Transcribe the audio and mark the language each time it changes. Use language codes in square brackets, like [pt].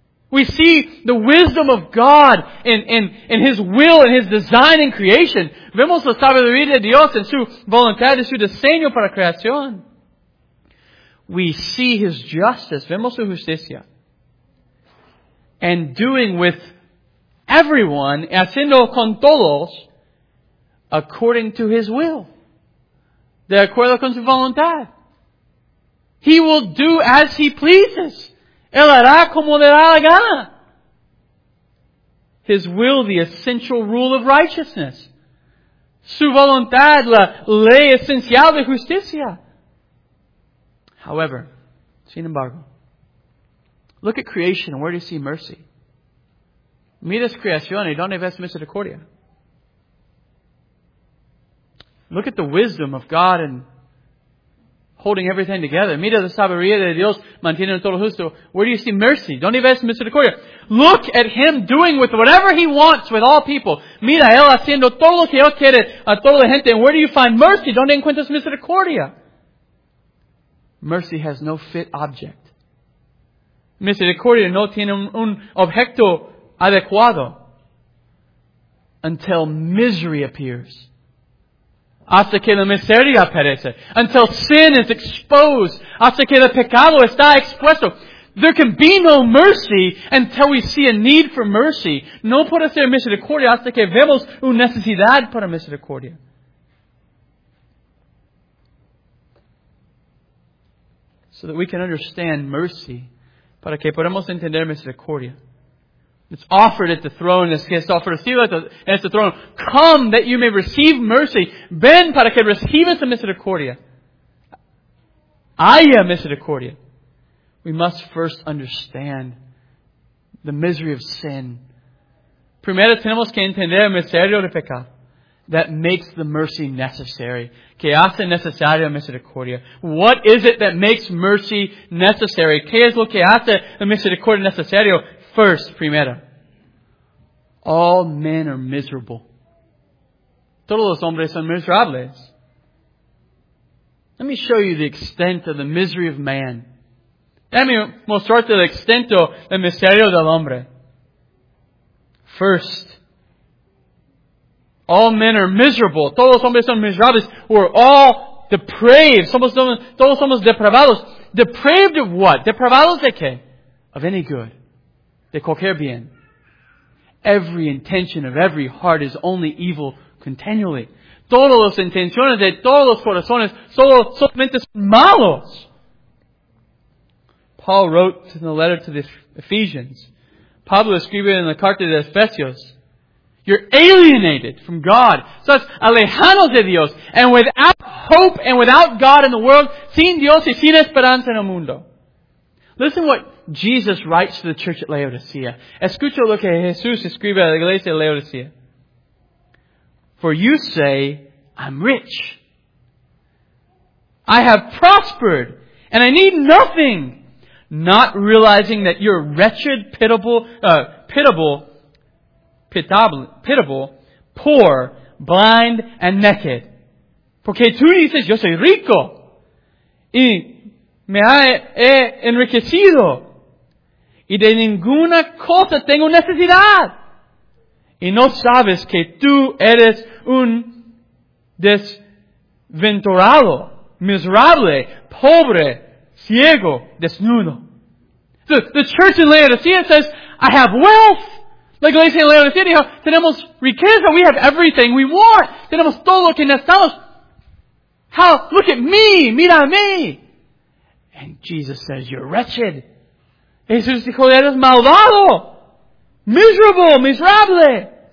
[en] We see the wisdom of God in His will and His design in creation. [es] Vemos la sabiduría de Dios en su voluntad y su diseño para creación. [en] We see His justice. [es] Vemos su justicia. [en] And doing with everyone, [es] haciendo con todos, [en] according to His will. [es] De acuerdo con su voluntad. [en] He will do as He pleases. [es] Él hará como le da la gana. [en] His will, the essential rule of righteousness. [es] Su voluntad, la ley esencial de justicia. [en] However, [es] sin embargo, [en] look at creation and where do you see mercy? [es] Miras creación y donde ves misericordia. [en] Look at the wisdom of God in holding everything together. [es] Mira la sabiduría de Dios manteniendo todo justo. [en] Where do you see mercy? [es] ¿Dónde ves misericordia? [en] Look at Him doing with whatever He wants with all people. [es] Mira Él haciendo todo lo que Él quiere a toda la gente. [en] And where do you find mercy? [es] ¿Dónde encuentras misericordia? [en] Mercy has no fit object. [es] Misericordia no tiene un objeto adecuado. [en] Until misery appears. [es] Hasta que la miseria aparece. [en] Until sin is exposed. [es] Hasta que el pecado está expuesto. [en] There can be no mercy until we see a need for mercy. [es] No puede ser misericordia hasta que vemos una necesidad para misericordia. [en] So that we can understand mercy. [es] Para que podamos entender misericordia. [en] It's offered at the throne. It's ofrecido at the throne. Come that you may receive mercy. [es] Ven para que recibas la misericordia. Haya misericordia. [en] We must first understand the misery of sin. [es] Primero tenemos que entender el misterio del pecado. [en] That makes the mercy necessary. [es] Que hace necesaria misericordia. [en] What is it that makes mercy necessary? [es] Que es lo que hace la misericordia necesario? [en] First, [es] primero. [en] All men are miserable. [es] Todos los hombres son miserables. [en] Let me show you the extent of the misery of man. Let me [es] mostrarte el extento del misterio del hombre. [en] First, all men are miserable. [es] Todos los hombres son miserables. [en] We're all depraved. [es] Todos somos depravados. [en] Depraved of what? [es] Depravados de qué? [en] Of any good. [es] De cualquier bien. [en] Every intention of every heart is only evil continually. [es] Todas las intenciones de todos los corazones solamente son malos. [en] Paul wrote in the letter to the Ephesians. [es] Pablo escribió en la carta de Efesios. [en] You're alienated from God. [es] Sos alejado de Dios. [en] And without hope and without God in the world, [es] sin Dios y sin esperanza en el mundo. [en] Listen what Jesus writes to the church at Laodicea. [es] Escucha lo que Jesús escribe a la iglesia de Laodicea. [en] For you say, I'm rich. I have prospered. And I need nothing. Not realizing that you're wretched, pitiable, poor, blind, and naked. [es] Porque tú dices, yo soy rico. Y me he enriquecido. Y de ninguna cosa tengo necesidad. Y no sabes que tú eres un desventurado, miserable, pobre, ciego, desnudo. [en] The church in Laodicea says, I have wealth. [es] La iglesia en Laodicea dijo, tenemos riqueza, [en] we have everything we want. [es] Tenemos todo lo que necesitamos. [en] How? Look at me, [es] mira a mí. [en] And Jesus says, you're wretched. [es] Jesús dijo, eres malvado, miserable, miserable.